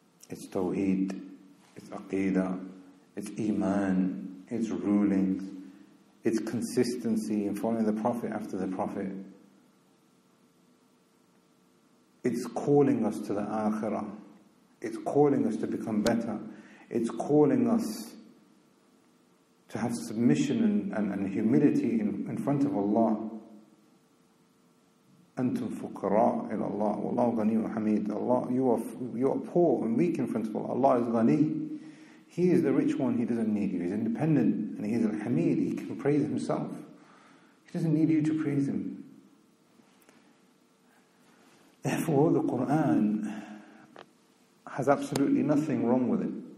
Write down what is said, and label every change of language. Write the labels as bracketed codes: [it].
[en] It's tawheed, it's aqeedah, it's iman, it's rulings, it's consistency in following the Prophet after the Prophet. It's calling us to the Akhirah. It's calling us to become better. It's calling us to have submission and humility in front of Allah. [ar] أنتم فقراء إلى الله والله غني وحميد. [en] Allah, you are poor and weak in front of Allah. Allah is غني. He is the rich one, he doesn't need you. He's independent and he's al-Hamid, he can praise himself. He doesn't need you to praise him. Therefore, the Quran has absolutely nothing wrong with it.